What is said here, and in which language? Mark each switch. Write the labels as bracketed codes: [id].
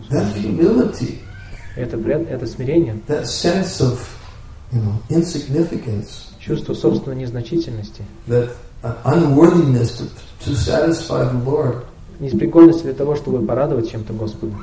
[en] That humility. [ru] Это смирение. [en] That sense of, you know, insignificance. [ru] Чувство собственной незначительности. [en] That unworthiness to satisfy the Lord. [ru] Неспригодность для того, чтобы порадовать чем-то Господа.